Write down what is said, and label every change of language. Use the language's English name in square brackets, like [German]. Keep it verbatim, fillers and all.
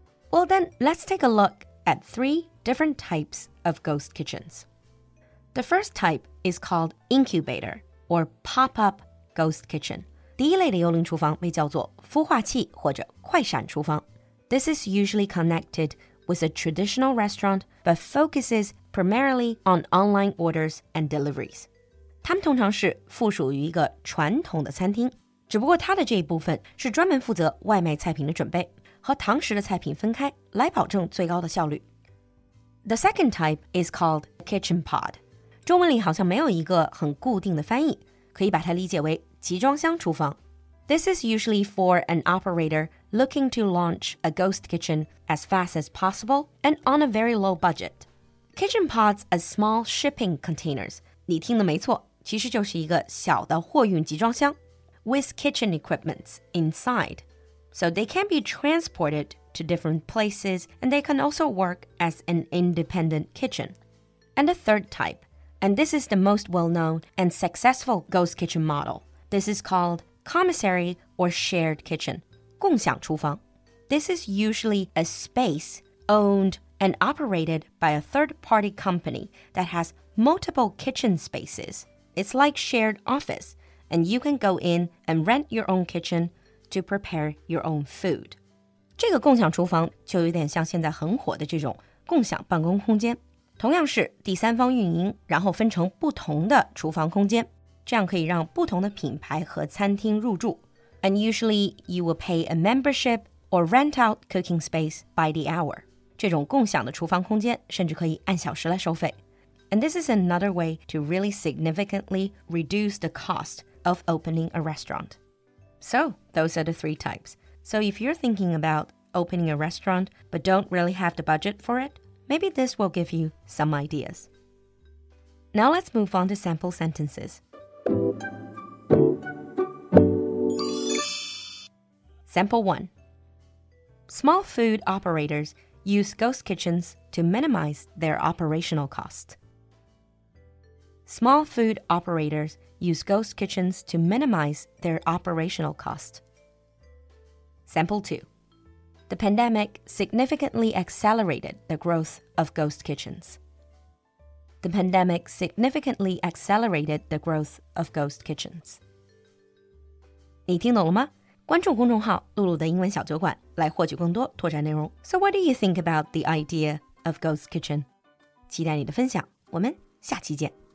[English] Well, then, let's take a look at three different types of ghost kitchens. The first type is called incubator or pop-up ghost kitchen. [Chinese] 第一类的幽灵厨房被叫做孵化器或者快闪厨房。 [English] This is usually connected with a traditional restaurant but focuses primarily on online orders and deliveries. [Chinese] 它们通常是附属于一个传统的餐厅，只不过它的这一部分是专门负责外卖菜品的准备，和堂食的菜品分开，来保证最高的效率。 [English] The second type is called kitchen pod. [Chinese] 中文里好像没有一个很固定的翻译，可以把它理解为集装箱厨房。 [English] This is usually for an operator looking to launch a ghost kitchen as fast as possible and on a very low budget. Kitchen pods are small shipping containers. [Chinese] 你听的没错，其实就是一个小的货运集装箱 [English] with kitchen equipments inside. So they can be transported to different places and they can also work as an independent kitchen. And the third type, and this is the most well-known and successful ghost kitchen model. This is called commissary or shared kitchen, [Chinese] 共享厨房. [English] This is usually a space owned and operated by a third-party company that has multiple kitchen spaces. It's like shared office, and you can go in and rent your own kitchen to prepare your own food. [Chinese] 这个共享厨房就有点像现在很火的这种共享办公空间，同样是第三方运营，然后分成不同的厨房空间，这样可以让不同的品牌和餐厅入驻。 [English] And usually you will pay a membership or rent out cooking space by the hour. [Chinese] 这种共享的厨房空间甚至可以按小时来收费。 [English] And this is another way to really significantly reduce the cost of opening a restaurant. So, those are the three types. So if you're thinking about opening a restaurant but don't really have the budget for it, maybe this will give you some ideas. Now let's move on to sample sentences. Sample one. Small food operators use ghost kitchens to minimize their operational cost. Small food operators use ghost kitchens to minimize their operational cost. Sample two. The pandemic significantly accelerated the growth of ghost kitchens. The pandemic significantly accelerated the growth of ghost kitchens. [Chinese] 你听懂了吗？关注公众号“露露的英文小酒馆”来获取更多拓展内容。 [English] So what do you think about the idea of ghost kitchen? [Chinese] 期待你的分享，我们下期见。